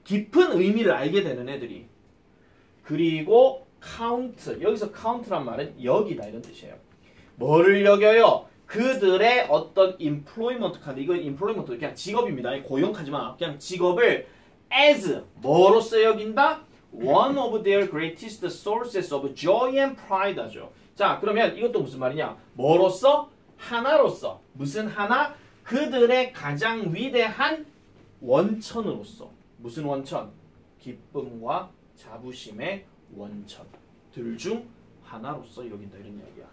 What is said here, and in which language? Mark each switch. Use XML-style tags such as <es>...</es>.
<ko>깊은 의미를 알게 되는 애들이. 그리고 count, 여기서 count란 말은 여기다 이런 뜻이에요. 뭐를 여겨요? 그들의 어떤 employment 카드, 이건 employment 그냥 직업입니다. 고용하지 마. 그냥 직업을 as 뭐로써 여긴다?</ko> <en>One of their greatest sources of joy and pride</en> <ko>하죠. 자, 그러면 이것도 무슨 말이냐? 뭐로써? 하나로써. 무슨 하나? 그들의 가장 위대한 원천으로서. 무슨 원천? 기쁨과 자부심의 원천. 둘 중 하나로서 여긴다 이런 이야기야.</ko>